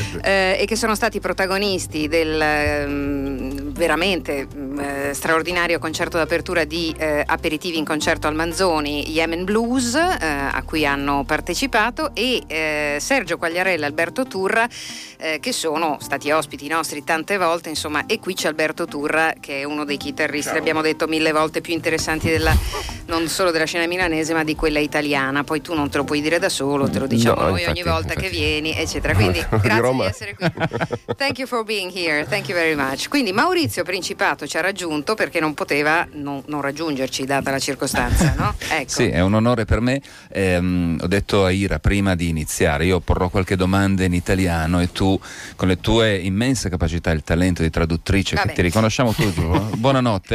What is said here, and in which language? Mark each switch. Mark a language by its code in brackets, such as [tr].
[it] E che sono stati protagonisti del veramente straordinario concerto d'apertura di Aperitivi in Concerto al Manzoni, Yemen Blues, a cui hanno partecipato, e Sergio Quagliarella e Alberto Turra, che sono stati ospiti nostri tante volte, insomma, e qui c'è Alberto Turra, che è uno dei chitarristi, ciao, abbiamo detto mille volte, più interessanti della, non solo della scena milanese, ma di quella italiana. Poi tu non te lo puoi dire da solo, te lo diciamo noi ogni volta che vieni, eccetera. Quindi grazie di essere qui. [en] Thank you for being here, thank you very much. [it] Quindi Maurizio Principato ci ha raggiunto perché non poteva non raggiungerci data la circostanza, no? Ecco. Sì, è un onore per me. Ho detto a Ira prima di iniziare, io porrò qualche domanda in italiano e tu, con le tue immense capacità e il talento di traduttrice, che ti riconosciamo tutti, buonanotte.